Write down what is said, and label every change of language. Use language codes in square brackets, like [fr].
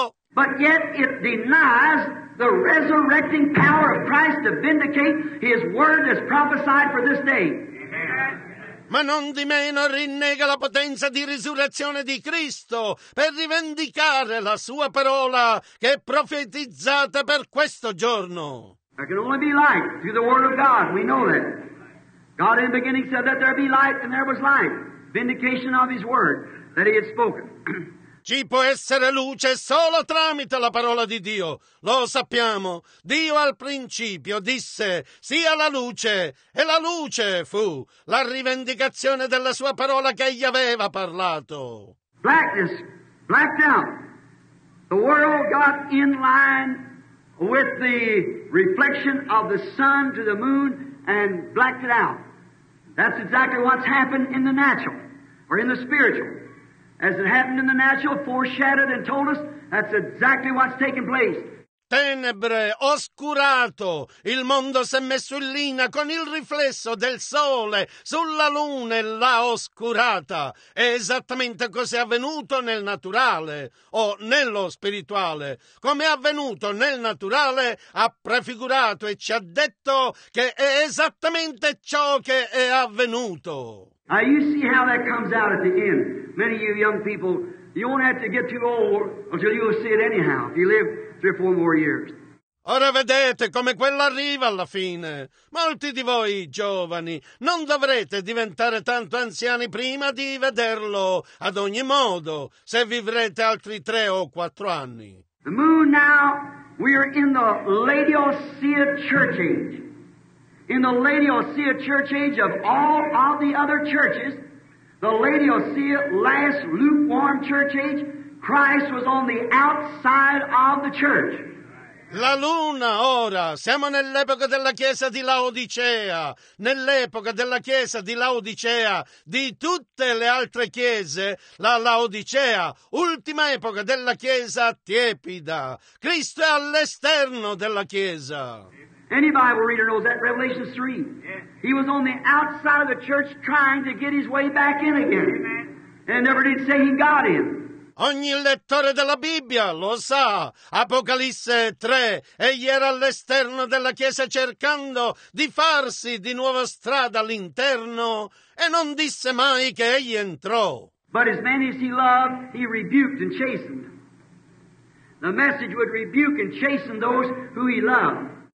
[en] But yet it denies the resurrecting power of Christ to vindicate His word as prophesied for this day. [it] Ma non di meno rinnega la potenza di risurrezione di Cristo per rivendicare la sua parola che è profetizzata per questo giorno. [en] There can only be light through the word of God. We know that. God in the beginning said that there be light, and there was light. Vindication of His word that He had spoken. [it] Ci può essere luce solo tramite la parola di Dio. Lo sappiamo. Dio al principio disse, sia la luce, e la luce fu la rivendicazione della sua parola che egli aveva parlato. [en] Blackness, blacked out. The world got in line with the reflection of the sun to the moon and blacked it out. That's exactly what's happened in the natural, or in the spiritual. As it happened in the natural, foreshadowed and told us, that's exactly what's taking place. [it] Tenebre, oscurato, il mondo si è messo in linea con il riflesso del sole sulla luna e l'ha oscurata. È esattamente così avvenuto nel naturale o nello spirituale. Come è avvenuto nel naturale, ha prefigurato e ci ha detto che è esattamente ciò che è avvenuto. [en] Now you see how that comes out at the end. Many of you young people, you won't have to get too old until you'll see it anyhow if you live 3 or 4 more years. [it] Ora vedete come quella arriva alla fine. Molti di voi, giovani, non dovrete diventare tanto anziani prima di vederlo, ad ogni modo, se vivrete altri 3 o 4 anni. [en] The moon now, we are in the Laodicea Church Age. In the Laodicea Church Age of all the other churches, the Laodicea last lukewarm church age, Christ was on the outside of the church. [it] La luna ora, siamo nell'epoca della chiesa di Laodicea, nell'epoca della chiesa di Laodicea, di tutte le altre chiese, la Laodicea, ultima epoca della chiesa tiepida. Cristo è all'esterno della chiesa. [en] Any Bible reader knows that, Revelation 3. Yeah. He was on the outside of the church trying to get his way back in again. And never did say he got in. [it] Ogni lettore della Bibbia lo sa, Apocalisse 3, egli era all'esterno della chiesa cercando di farsi di nuova strada all'interno e non disse mai che egli entrò. [en] But as many as he loved, he rebuked and chastened. The message would rebuke and chasten those who he loved.